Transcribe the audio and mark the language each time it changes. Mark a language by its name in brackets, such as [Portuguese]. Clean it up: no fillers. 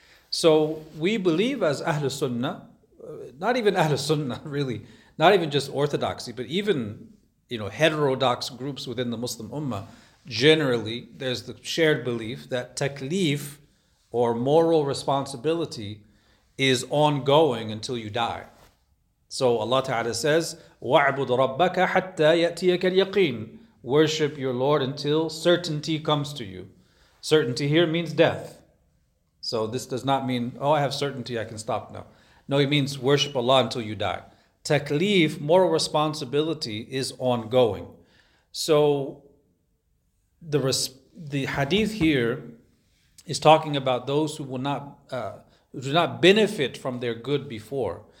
[English] So we believe as Ahlus Sunnah, not even Ahlus Sunnah really, not even just orthodoxy, but even, you know, heterodox groups within the Muslim Ummah, generally there's the shared belief that taklif, or moral responsibility, is ongoing until you die. So Allah Ta'ala says, [Arabic] وَعْبُدْ رَبَّكَ حَتَّى يَأْتِيَكَ الْيَقِينَ. [English] Worship your Lord until certainty comes to you. Certainty here means death. So this does not mean, oh, I have certainty, I can stop now. No, it means worship Allah until you die. Taklif, moral responsibility, is ongoing. So the hadith here is talking about those who will not do not benefit from their good before.